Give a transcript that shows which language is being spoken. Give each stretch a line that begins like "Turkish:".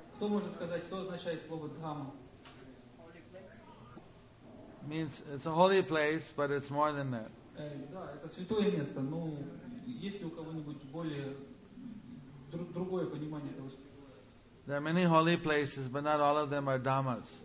Russian: Кто может сказать, кто означает слово дхамма?
English: Means it's a holy place, but it's more than that.
Russian: Да, это святое место, но есть ли у кого-нибудь более другое понимание этого?
English: There are many holy places, but not all of them are dhammas.